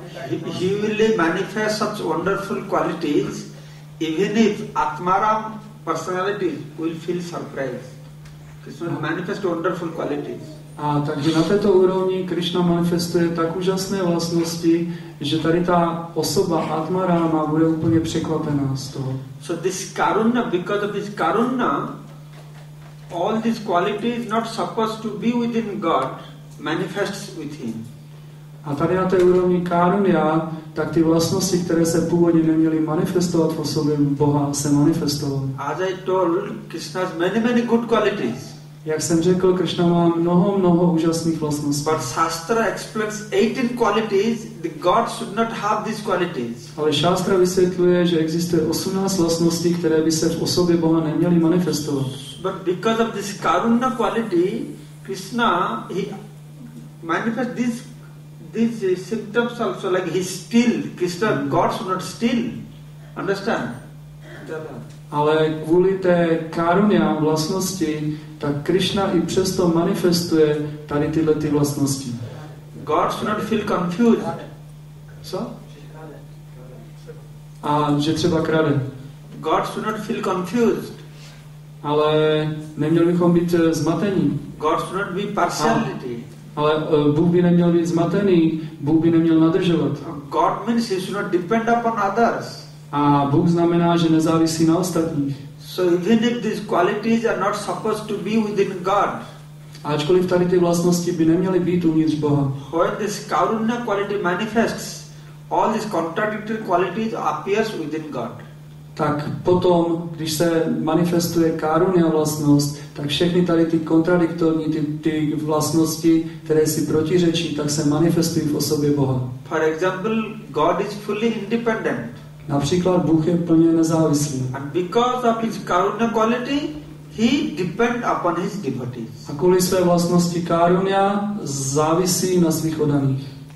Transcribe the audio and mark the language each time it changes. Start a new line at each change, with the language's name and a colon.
English: He will manifest such wonderful qualities, even if Atmaram personality will feel surprised. Krishna will manifest wonderful qualities.
Czech: A takže na této úrovni Krishna manifestuje tak úžasné vlastnosti, že tady ta osoba Atmarama bude úplně překvapená z toho.
English: So this karuna, because of this karuna, all these qualities not supposed to be within God, manifests with him.
Czech: A tady na té úrovni karunya, tak ty vlastnosti, které se původně neměly manifestovat v osobě Boha, se manifestovaly.
English: As I told, Krishna has many, many good qualities.
Czech: Jak jsem řekl, Krishna má mnoho, mnoho úžasných vlastností.
English: But Shastra explains 18 qualities, the God should not have these qualities.
Czech: Ale Shastra vysvětluje, že existuje 18 vlastností, které by se v osobě Boha neměly manifestovat.
English: But because of this karuna quality, Krishna, he manifests these symptoms also, like he steal. Krishna, God should not steal. Understand?
Czech: Ale kvůli té karuně vlastnosti, tak Krishna i přesto manifestuje tady tyhle ty vlastnosti.
English: God should not feel confused.
Czech: Co? A že třeba krade.
English: God should not feel confused.
Czech: Ale neměli bychom být zmatení.
English: God should not be partiality.
Czech: Ale Bůh by neměl být zmatený, Bůh by neměl nadržovat.
English: God means he should not depend upon others.
Czech: A Bůh znamená, že nezávisí na ostatních.
English: So even if these qualities are not supposed to be within God.
Czech: Ačkoliv tady ty vlastnosti by neměly být uvnitř Boha.
English: When this karuna quality manifests, all these contradictory qualities appears within God.
Czech: Tak potom, když se manifestuje karuna vlastnost, tak všechny tady ty kontradiktorní ty vlastnosti, které si protiřečí, tak se manifestují v osobě Boha.
English: For example, God is fully independent.
Czech: Například Bůh je plně nezávislý.
English: And because of his karuna quality, he depend upon his devotees.
Czech: A kvůli své vlastnosti karuna závisí na svých oddaných.